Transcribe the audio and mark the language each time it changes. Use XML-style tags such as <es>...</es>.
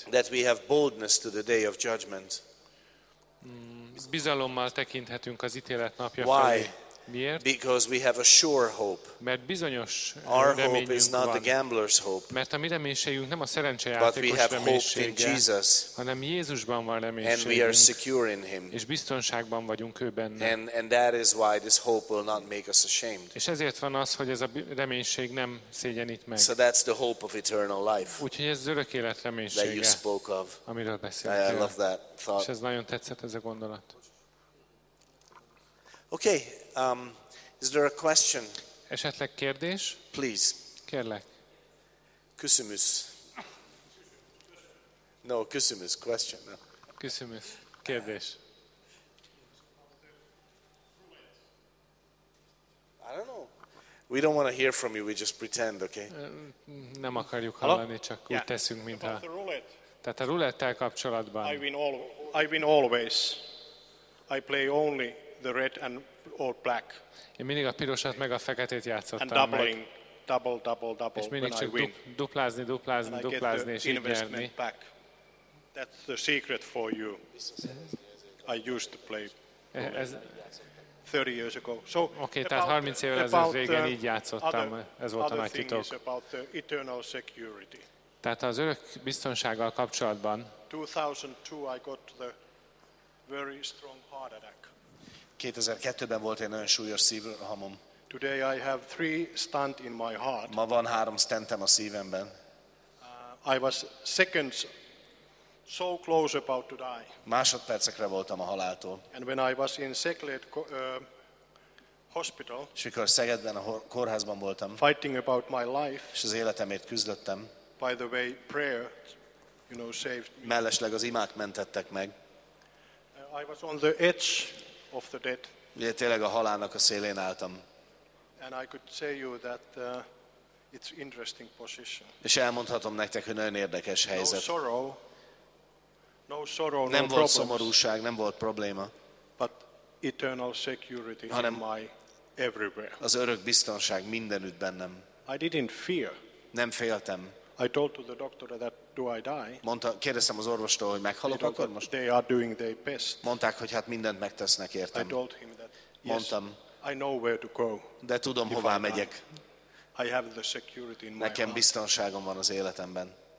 <en>That we have boldness to the day of judgment.</en> <hu>Bizalommal tekinthetünk az ítélet napja felé.</hu> <en>Why?</en> <hu>Miért?</hu> <en>Because we have a sure hope.</en> <hu>Mert bizonyos</hu> <en>our hope is not</en> <hu>van.</hu> <en>The gambler's hope.</en> <hu>Mert a mi reménységünk nem a szerencsejátékos reménysége, hanem Jézusban van reménységünk.</hu> <en>And we are secure in him.</en> <hu>És biztonságban vagyunk ő benne.</hu> <en>And that is why this hope will not make us ashamed.</en> <hu>És ezért van az, hogy ez a reménység nem szégyenít meg.</hu> <en>So that's the hope of eternal life.</en> <hu>Úgyhogy ez az örök élet reménysége, amiről beszéltél.</hu> <en>I love that thought.</en> <hu>És ez nagyon tetszett, ez a gondolat.</hu> <en>Okay, is there a question?</en> <hu>Esetleg kérdés?</hu> <en>Please.</en> <hu>Kérlek. Küszümüsz.</hu> <en>No, küszümüsz, question. No.</en> <hu>Küszümüsz, kérdés.</hu> <en>I don't know. We don't want to hear from you, we just pretend, okay?</en> <hu>Nem akarjuk hallani, csak</hu> <en>yeah.</en> <hu>Úgy teszünk, mint</hu> <en>about the roulette.</en> <hu>Tehát a rulettel kapcsolatban.</hu> <en>I win always. I play only the red and or black.</en> <hu>Én mindig a pirosat meg a feketét játszottam.</hu> <en>And doubling, double.</en> <hu>És mindig csak duplázni és így nyerni.</hu> <en>That's the secret for you. I used to play 30 years ago. So,</en> <hu>okay, tehát 30 évvel ezelőtt régen így játszottam. Ez volt a nagy titok.</hu> <en>About the eternal security.</en> <hu>Tehát az örök biztonsággal kapcsolatban.</hu> <en>2002 I got the very strong heart attack.</en> <hu>2002-ben volt egy nagyon súlyos szívrohamom.</hu> <en>Today I have 3 stent in my heart.</en> <hu>Ma van 3 stentem a szívemben.</hu> <en>I was seconds so close about to die.</en> <hu>Másodpercekre voltam a haláltól.</hu> <en>And when I was in Szeged hospital.</en> <hu>És mikor Szegedben a kórházban voltam.</hu> <en>Fighting about my life.</en> <hu>És az életemért küzdöttem.</hu> <en>By the way, prayer, you know, saved me.</en> <hu>Mellesleg az imák mentettek meg.</hu> <en>I was on the edge of the dead.</en> <hu>Én tényleg a halálnak a szélén álltam.</hu> <en>And I could say you that it's interesting position.</en> <hu>És elmondhatom nektek, hogy nagyon érdekes helyzet.</hu> <en>No sorrow,</en> <hu>nem volt szomorúság, nem volt probléma.</hu> <en>But eternal security in my everywhere.</en> <hu>Az örök biztonság mindenütt bennem.</hu> <en>I didn't fear.</en> <hu>Nem féltem.</hu> <en>I told to the doctor that do I die?</en> <hu>Mondta, kérdeztem az orvostól, hogy meghalok akkor most.</hu> <en>They are doing their best.</en> <hu>Mondták, hogy hát mindent megtesznek értem.</hu> <en>I told him that. Yes,</en> <hu>mondtam.</hu> <en>I know where to go.</en> <hu>De tudom, hová megyek.</hu> <en>I have the security in my</en> <hu>Nekem biztonságom van az életemben.</hu>